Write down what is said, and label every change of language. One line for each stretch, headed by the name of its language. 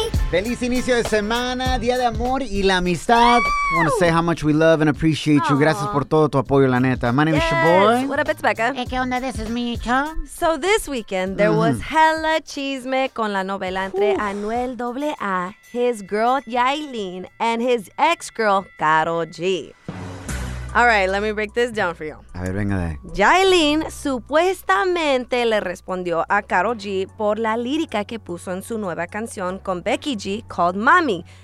Spanish: Feliz inicio de semana, día de amor y la amistad.
English: I want to say how much we love and appreciate you.
Spanish: Gracias por todo tu apoyo, la neta.
English: My name is Sheboy. What up, it's Becca. Hey,
Spanish: ¿qué onda?
English: This is me, Micho. So this weekend, there was hella
Spanish: chisme con la novela entre
English: Anuel AA, his girl Yailin, and his ex-girl, Karol G. All right, let me break this down for you.
Spanish: A ver, venga de ahí. Yailin supuestamente le respondió a Karol G por la lírica que puso en su nueva canción con Becky G
English: called Mami.